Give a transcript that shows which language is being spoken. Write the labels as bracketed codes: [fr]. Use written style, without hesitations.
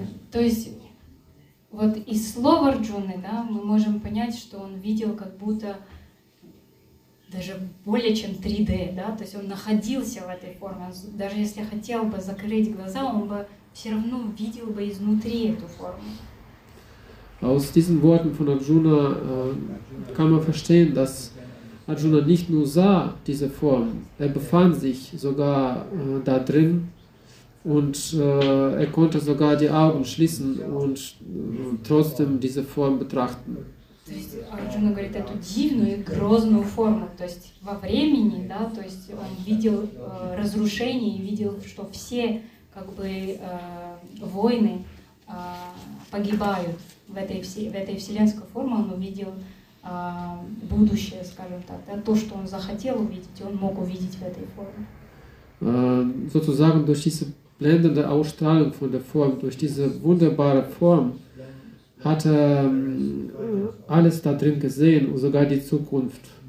[ru] То есть, вот из слов Арджуны, да, мы можем понять, что он видел как будто даже более чем 3D, да, то есть он находился в этой форме, даже если хотел бы закрыть глаза, он бы все равно видел бы изнутри эту форму. [de] Aus diesen Worten von Arjuna kann man verstehen, dass Arjuna nicht nur sah diese Form, er befand sich sogar da drin und er konnte sogar die Augen schließen und trotzdem diese Form betrachten. [ru] Arjuna говорит эту дивную и грозную форму, то есть во времени, да, то есть он видел разрушение и видел, что все как бы войны погибают. В этой вселенской форме он увидел будущее, скажем так, да, то, что он захотел увидеть, он мог увидеть в этой форме. [de] Sozusagen durch diese blendende Ausstrahlung von der Form, durch diese wunderbare Form, hat er alles da drin gesehen und sogar die Zukunft.